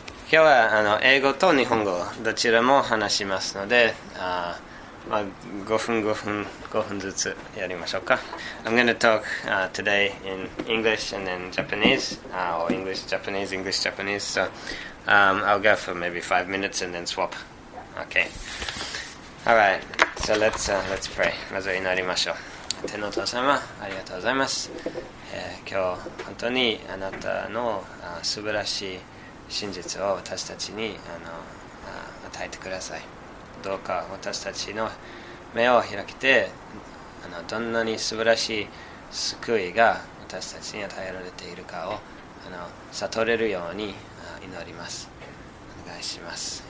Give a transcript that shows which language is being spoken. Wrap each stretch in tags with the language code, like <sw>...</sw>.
<ja>今日はあの英語と日本語どちらも話しますので、あ、まあ、5分5分5分ずつやりましょうか。</ja> <en>I'm going to talk today in English and then Japanese or English, Japanese, English, Japanese. So I'll go for maybe 5 minutes and then swap. Okay. Alright, so let's pray.</en> <ja>まず祈りましょう。天のお父様、ありがとうございます。今日本当にあなたの素晴らしい真実を私たちに与えてください。どうか私たちの目を開けて、どんなに素晴らしい救いが私たちに与えられているかを悟れるように祈ります。お願いします。</ja>